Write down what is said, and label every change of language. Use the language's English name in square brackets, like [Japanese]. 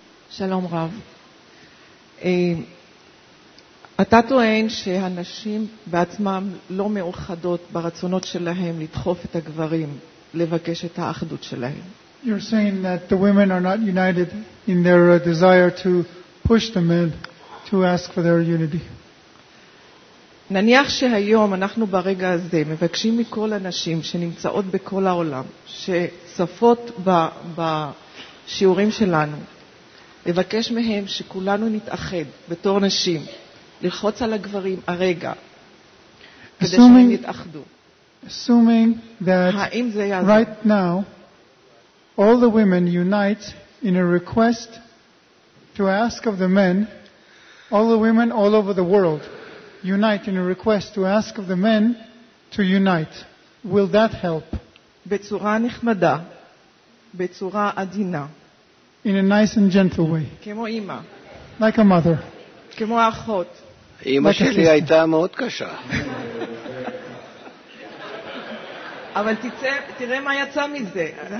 [Hebrew] שלום רב. אתה טוען שהנשים בעצמם לא מאוחדות ברצונות שלהם לדחוף את הגברים לבקש את האחדות שלהם. [English] You're saying that the women are not united in their desire to push the men to ask for their unity. [Hebrew] נניח שהיום אנחנו ברגע הזה מבקשים מכל הנשים שנמצאות בכל העולם שצפות בשיעורים שלנו, לבקש מהם שכולנו נתאחד בתור נשים, ללחוץ על הגברים הרגע, [English] assuming, [Hebrew] כדי שהם יתאחדו. [English] Assuming that right now all the women unite in a request to ask of the men, all the women all over the world unite in a request to ask of the men to unite, will that help? [Hebrew] בצורה נחמדה, בצורה עדינה, [English] in a nice and gentle way. [Hebrew] כמו אמא. [English] Like a mother. [Hebrew] כמו אחות. אמא שלי הייתה מאוד קשה. אבל תראה מה יצא מזה.